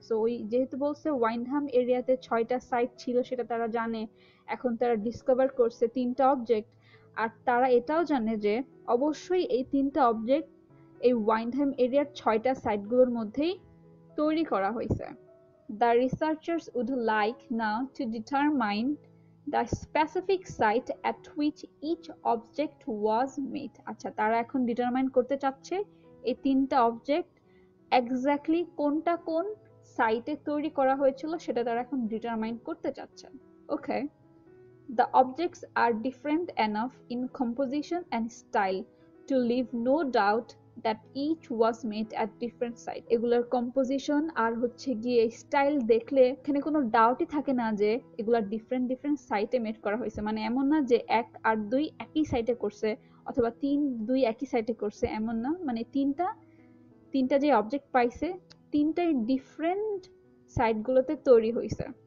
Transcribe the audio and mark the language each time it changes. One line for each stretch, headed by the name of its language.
Bangla: So ওই যেহেতু বলছে Wyndham area তে 6টা site ছিল সেটা তারা জানে, এখন তারা discover করছে 3টা object, আর তারা এটাও জানে যে অবশ্যই এই 3টা object এই Wyndham area 6টা site গুলোর মধ্যেই তৈরি করা হয়েছে.
English: The researchers would like now to determine the specific site at which each object was made.
Bangla: আচ্ছা তারা এখন ডিটারমাইন করতে চাচ্ছে এই তিনটা অবজেক্ট এক্স্যাক্টলি কোনটা কোন সাইটে তৈরি করা হয়েছিল সেটা তারা এখন ডিটারমাইন করতে চাচ্ছে.
English: Okay, the objects are different enough in composition and style to leave no doubt that each was made at different site.
Bangla: এগুলার কম্পোজিশন আর হচ্ছে গিয়ে স্টাইল দেখলে এখানে কোনো ডাউটই থাকে না যে এগুলা ডিফারেন্ট ডিফারেন্ট সাইটে মেড করা হয়েছে. মানে এমন না যে 1 আর 2 একই সাইটে করছে অথবা 3 2 একই সাইটে করছে, এমন না. মানে তিনটা যে অবজেক্ট পাইছে তিনটাই ডিফারেন্ট সাইটগুলোতে তৈরি হয়েছে.